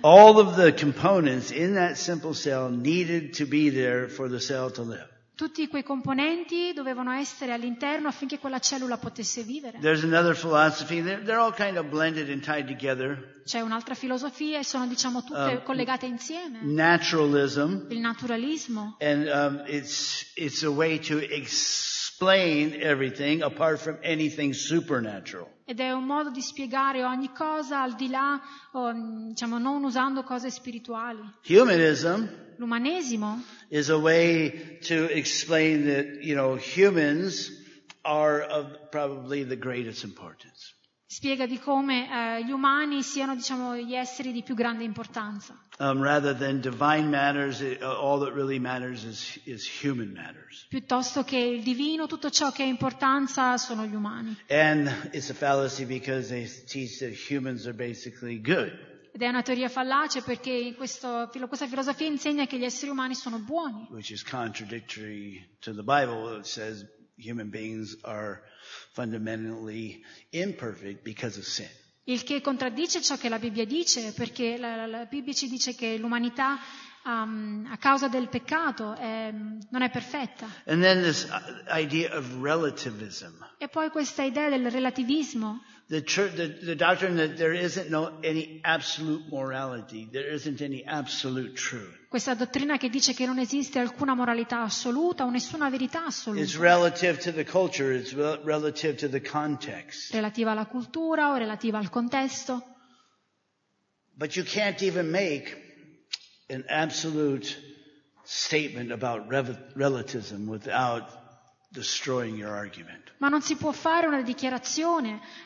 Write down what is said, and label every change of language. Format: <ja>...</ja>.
<en>All of the components in that simple cell needed to be there for the cell to live.</en> <it>Tutti quei componenti dovevano essere all'interno affinché quella cellula potesse vivere.</it> <en>There's another philosophy. They're all kind of blended and tied together.</en> <it>C'è un'altra filosofia e sono, diciamo, tutte collegate insieme.</it> <en>Naturalism.</en> <it>Il naturalismo.</it> <en>And it's a way to explain everything apart from anything supernatural.</en> <it>Ed è un modo di spiegare ogni cosa al di là, diciamo, non usando cose spirituali.</it> <en>Humanism.</en> <it>L'umanesimo</it> <en>is a way to explain that, you know, humans are of probably the greatest importance.</en> <it>Spiega di come gli umani siano, diciamo, gli esseri di più grande importanza.</it> <en>Rather than divine matters, all that really matters is human matters.</en> <it>Piuttosto che il divino, tutto ciò che è importanza sono gli umani.</it> <en>And it's a fallacy because they teach that humans are basically good.</en> <it>Ed è una teoria fallace perché questa filosofia insegna che gli esseri umani sono buoni.</it> <en>Which is contradictory to the Bible, it says human beings are fundamentally imperfect because of sin.</en> <it>Il che contraddice ciò che la Bibbia dice, perché la Bibbia ci dice che l'umanità a causa del peccato non è perfetta.</it> <en>And then this idea of relativism.</en> <it>E poi questa idea del relativismo.</it> <en>The doctrine that there isn't any absolute morality, there isn't any absolute truth.</en> <it>Questa dottrina che dice che non esiste alcuna moralità assoluta o nessuna verità assoluta.</it> <en>It's relative to the culture, it's relative to the context.</en> <it>Relativa alla cultura o relativa al contesto.</it> <en>But you can't even make an absolute statement about relativism without destroying your argument.</en> <it>Ma non si può fare una dichiarazione.</it>